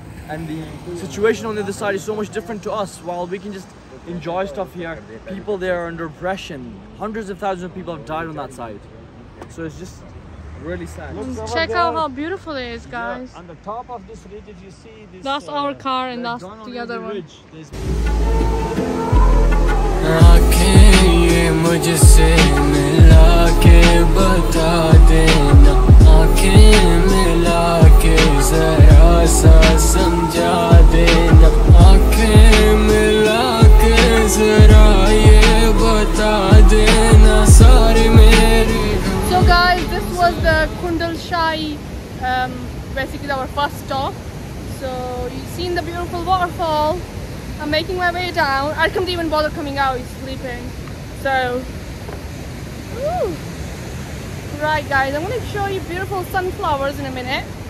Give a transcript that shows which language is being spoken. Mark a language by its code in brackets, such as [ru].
[en] And the situation on the other side is so much different to us. While we can just enjoy stuff here, people there are under oppression. Hundreds of thousands of people have died on that side. So it's just really sad. Check out how beautiful it is, guys. On the top of this ridge, if you see this... That's our car and that's the other one. [hi] मुझसे मिला के बता देना आंखें मिला के जरा सा समझा देना आंखें मिला के जरा ये बता देना सारे मेरे. [en] So guys, this was the Kundalshahi, basically our first stop. So you've seen the beautiful waterfall. I'm making my way down. I can't even bother coming out, he's sleeping. So, right, guys, I'm going to show you beautiful sunflowers in a minute.